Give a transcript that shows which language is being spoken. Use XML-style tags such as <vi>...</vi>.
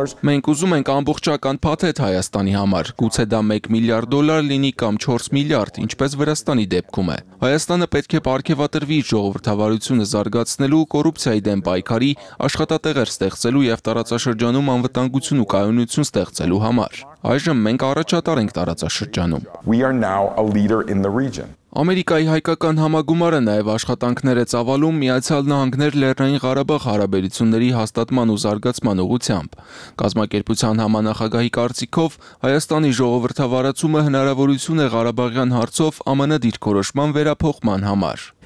<hy>Մենք ուզում ենք ամբողջական փաթեթ Հայաստանի համար, գուցե դա 1 միլիարդ դոլար լինի կամ 4 միլիարդ, ինչպես Վրաստանի դեպքում է։ Հայաստանը պետք է պարգևատրվի ժողովրդավարությունը զարգացնելու, կոռուպցիայի դեմ պայքարի, աշխատատեղեր ստեղծելու եւ տարածաշրջանում անվտանգություն ու կայունություն ստեղծելու համար։ Այժմ մենք առաջատար ենք տարածաշրջանում։</hy> <en>We are now a leader in the region.</en> <hy>Ամերիկայի հայկական համագումարը նաև աշխատանքներ է ծավալում Միացյալ Նահանգներ Լեռնային Ղարաբաղ հարաբերությունների հաստատման ու զարգացման ուղղությամբ։ Կազմակերպության համանախագահի կարծիքով Հայաստանի ժողովրդավարացումը հնարավորություն է Ղարաբաղյան հարցով ԱՄՆ դիրքորոշման վերափոխման համար։</hy>